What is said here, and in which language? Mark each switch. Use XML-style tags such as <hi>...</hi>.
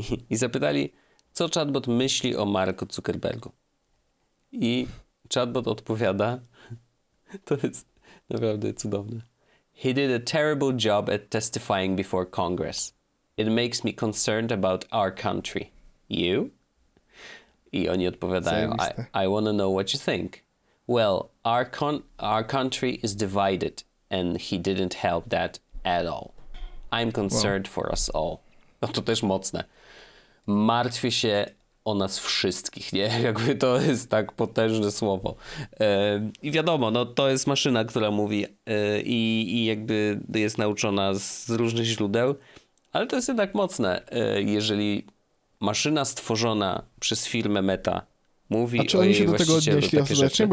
<pl>I zapytali, co chatbot myśli o Marku Zuckerbergu. I chatbot odpowiada, to jest naprawdę cudowne.</pl> <en>He did a terrible job at testifying before Congress. It makes me concerned about our country. You?</en> <pl>I oni odpowiadają,</pl> <en>I want to know what you think. Well, our country is divided and he didn't help that at all. I'm concerned for us all.</en> <pl>No to też mocne. Martwię się o nas wszystkich, nie? Jakby to jest tak potężne słowo. I wiadomo, no to jest maszyna, która mówi i jakby jest nauczona z różnych źródeł, ale to jest jednak mocne, jeżeli maszyna stworzona przez firmę Meta mówi o jej właścicielu takie rzeczy. A czy oni się do tego odnieśli?</pl>